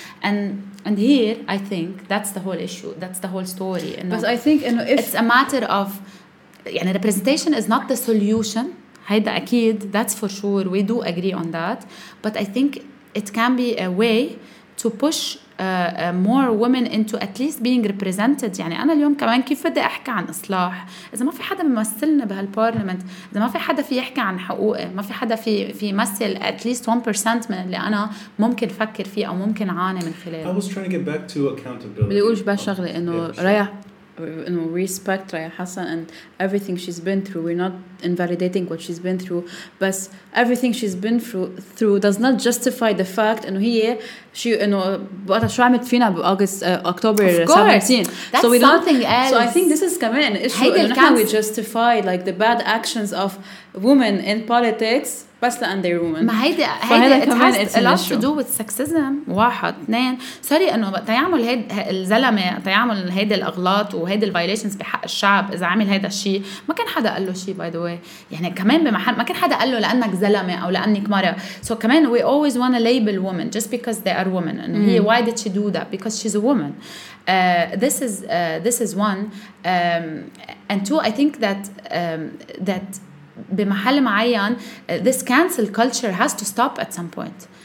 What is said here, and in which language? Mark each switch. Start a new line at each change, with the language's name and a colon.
English: And here, I think, that's the whole issue. That's the whole story. You know? But I think, you know, if... It's a matter of... يعني representation is not the solution.
Arabic: هيدا أكيد.
English: That's for sure. We do agree on that. But I think it can be a way to push... more women into at least being represented.
Arabic: يعني أنا اليوم كمان كيف بدي أحكي عن إصلاح إذا ما في حدا ممثلنا بهالبارلمنت, إذا ما في حدا في يحكي عن حقوقي, ما في حدا في يمثل
English: at least 1%
Arabic: من اللي أنا ممكن فكر فيه أو ممكن عاني من خلاله.
English: I was trying to get back to accountability.
Arabic: بدي أقولش بهالشغلة إنه ريا, إنه respect ريا حسن
English: and everything she's been through. We're not invalidating what she's been through, but everything she's been through does not justify the fact إنه هي she
Arabic: إنه بقى شو عملت فينا بأغسطس أكتوبر 17.
English: That's so we something don't, else. So I think this is coming an issue.
Arabic: إنه نحن
English: we justify like the bad actions of women in politics
Arabic: بس لأن
English: they're women.
Arabic: ما هيدا هيدا كمان
English: it has a lot to do with sexism.
Arabic: واحد اثنين سوري إنه تيعمل هيد الزلمة تيعمل هيدا الأغلاط وهيدا
English: violations
Arabic: بحق الشعب إذا عمل هيدا الشيء ما كان حدا قال له شيء.
English: By the way,
Arabic: يعني كمان بمحل ما كان حدا قال له لأنك زلمة أو لأنك مرأة.
English: So
Arabic: كمان
English: we always want to label women just because they are women. And he, why did she do that? Because she's a woman. This is one. And two, I think that that
Arabic: بمحل معين
English: this cancel culture has to stop at some point.